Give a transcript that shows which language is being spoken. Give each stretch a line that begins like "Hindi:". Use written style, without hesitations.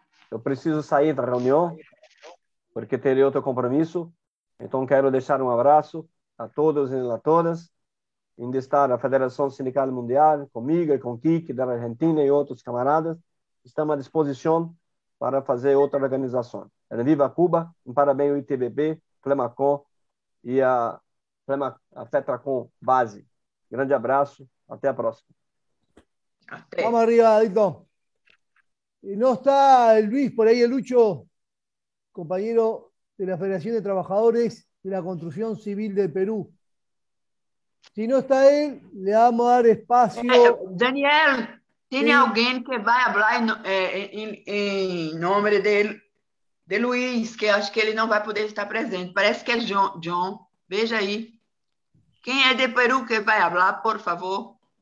Spanish: Yo preciso salir de la reunión porque tengo otro compromiso. Entonces quiero dejar un abrazo a todos y a todas.
Portuguese: Ainda está na Federação Sindical Mundial, comigo e com o Kiki, da Argentina e outros camaradas. Estamos à disposição para fazer outra organização. Era Viva Cuba, um parabéns ao ITBB, Flemacon e a Fetracon Base. Grande abraço, até a próxima. Até.
Spanish: Vamos arriba,
Portuguese: Dito. E não está Luiz por aí, Lucho, companheiro da Federação de Trabalhadores da Construção Civil do Peru.
Spanish: Si no está él, le vamos a dar espacio. Daniel, ¿tiene alguien que va a hablar en nombre de Luis? Que acho que él no va a poder estar presente. Parece que es John. Veja ahí. ¿Quién es de Perú que va a hablar, por favor?